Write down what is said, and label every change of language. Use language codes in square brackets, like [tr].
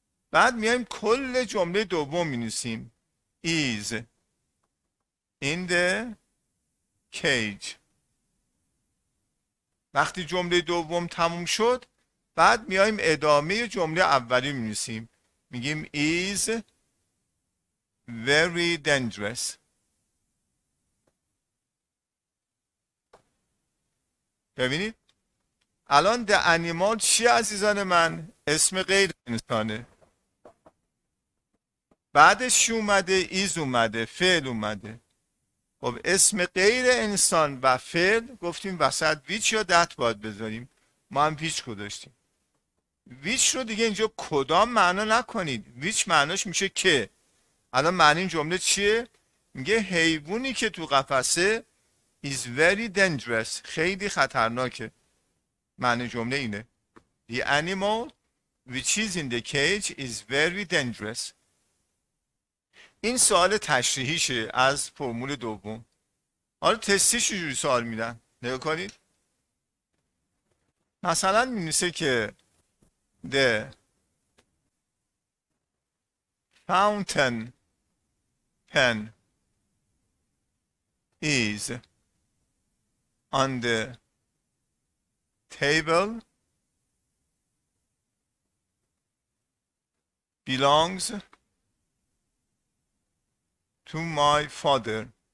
[fa] بعد میایم کل جمله دوم مینویسیم. [en] Is in the cage. [fa] وقتی جمله دوم تموم شد، بعد میایم ادامه جمله اولی مینویسیم. میگیم [en] is very dangerous. [fa] ببینید الان [en] the animal [fa] چی عزیزان من؟ اسم غیر انسانه. بعدش اومده ایز، اومده فعل، اومده. خب اسم غیر انسان و فعل گفتیم وسط ویچ یا دت باید بذاریم. ما هم ویچ گذاشتیم. ویچ رو دیگه اینجا کدام معنا نکنید. ویچ معناش میشه که. الان معنی این جمله چیه؟ میگه حیوانی که تو قفسه [en] is very dangerous، [fa] خیلی خطرناکه. معنی جمله اینه. [en] The animal which is in the cage is very dangerous. [fa] این سوال تشریحیشه از فرمول دوم. حالا تستی چجوری سوال میدن؟ نگاه کنید. مثلا می‌نویسه که [en] the fountain pen is on the table belongs to my father.